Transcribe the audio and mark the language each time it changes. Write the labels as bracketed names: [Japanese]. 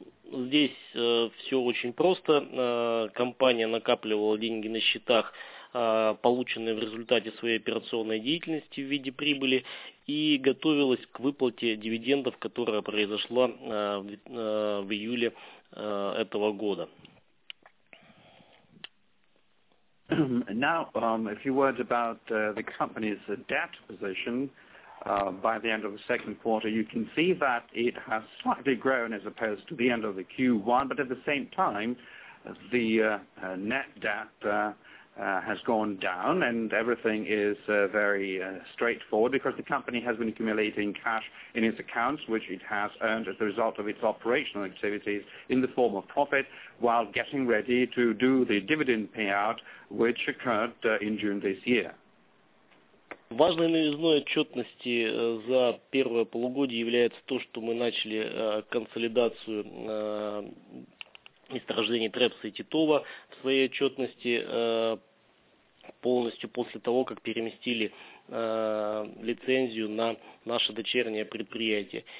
[Russian] Здесь все очень просто. Компания накапливала деньги на счетах, полученные в результате своей операционной деятельности в виде прибыли, и готовилась к выплате дивидендов, которая произошла в июле этого года. [English] Now, a few words about the company's debt position. By the end of the second quarter, you can see that it has slightly grown as opposed to the end of the Q1, but at the same time, the net debt has gone down, and everything is very straightforward because the company has been accumulating cash in its accounts, which it has earned as a result of its operational activities in the form of profit, while getting ready to do the dividend payout, which occurred in June this year. [Russian] Важной новизной отчетности за первое полугодие является то, что мы начали консолидацию месторождений Трепса и Титова в своей отчетности полностью после того, как переместили лицензию на наше дочернее предприятие.